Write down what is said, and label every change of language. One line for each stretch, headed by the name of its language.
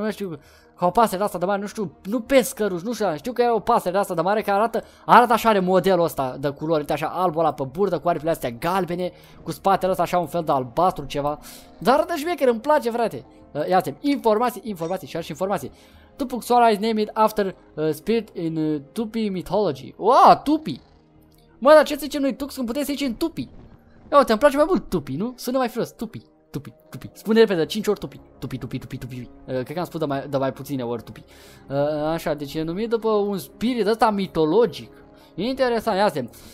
Romanian: Nu știu... ca o pasăre asta de mare. Nu știu... nu pescăruș. Nu știu... știu că e o pasăre asta de mare care arată... arată așa, are modelul ăsta de culoare. Uite așa, albul ăla pe burtă cu aripile astea galbene. Cu spatele ăsta așa un fel de albastru ceva. Dar arată șmecher, îmi place, frate. Ia să informații, informații, și așa informații.
English: Tupuxoara is named after spirit in Tupi mythology. Wow, Tupi.
Romanian: Mă, dar ce zice noi Tux când putem să zicem Tupi? Ia uite, îmi place mai mult Tupi, nu? Sună mai frumos, Tupi, Tupi, Tupi. Spune repede, 5 ori Tupi. Tupi, Tupi, Tupi, Tupi. Cred că am spus de mai puține ori Tupi. Așa, deci e numit după un spirit ăsta mitologic. Interesant, ia să.